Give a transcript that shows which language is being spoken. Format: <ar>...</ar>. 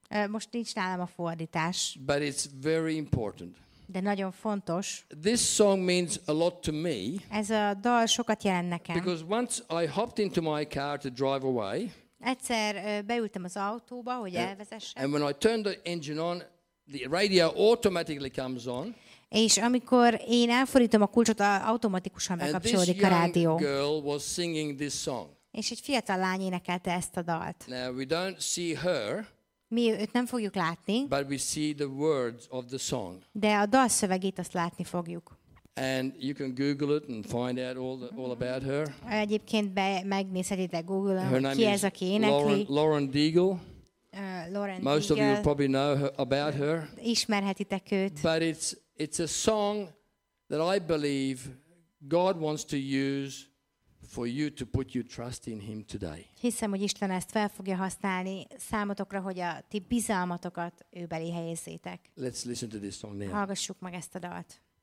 <hu>Most nincs nálam a fordítás.</hu> <en>But it's very important.</en> <hu>De nagyon fontos.</hu> <en>This song means a lot to me.</en> <hu>Ez a dal sokat jelent nekem.</hu> <en>Because once I hopped into my car to drive away.</en> <hu>Egyszer beültem az autóba, hogy elvezessem.</hu> <en>And when I turn the engine on, the radio automatically comes on.</en> <hu>És amikor én elfordítom a kulcsot, automatikusan bekapcsolódik a rádió.</hu> <en>And this young girl was singing this song.</en> <hu>És egy fiatal lány énekelte ezt a dalt.</hu> <en>Now we don't see her.</en> <hu>Mi őt nem fogjuk látni.</hu> <en>But we see the words of the song.</en> <hu>De a dalszövegét azt látni fogjuk.</hu> <en>And you can Google it and find out all about her.</en> <hu>Egyébként megnézhetitek Google-on, ki ez, aki énekli.</hu> <en>Lauren Daigle. Lauren</en> <hu>Most</hu> <en>Daigle. Of you probably know her, about her.</en> <hu>Ismerhetitek őt.</hu> <en>But it's a song that I believe God wants to use for you to put your trust in him today.</en> <hu>Hiszem, hogy Isten ezt fel fogja használni számotokra, hogy a ti bizalmatokat ő belé helyezzétek.</hu> <en>Let's listen to this song now.</en> <hu>Hallgassuk meg ezt a dalt.</hu>